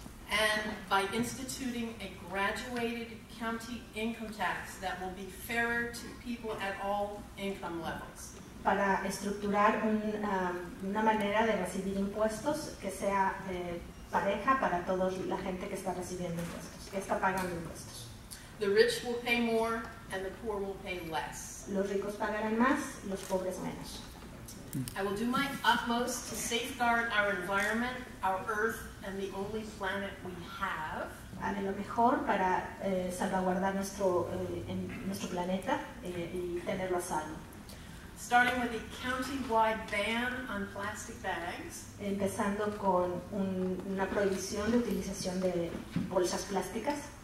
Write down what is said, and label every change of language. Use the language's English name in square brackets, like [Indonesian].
[English] And by instituting a graduated county income tax that will be fairer to people at all income levels. [Spanish] Para estructurar una manera de recibir impuestos que sea pareja para toda la gente que está recibiendo impuestos, que está pagando impuestos. [English] The rich will pay more and the poor will pay less. [Spanish] Los ricos pagarán más, los pobres menos. [English] I will do my utmost to safeguard our environment, our earth, and the only planet we have. [Spanish] Haré lo mejor para salvaguardar nuestro planeta y tenerlo a salvo. [English] Starting with a county-wide ban on plastic bags. [Spanish] Empezando con una prohibición de utilización de bolsas plásticas.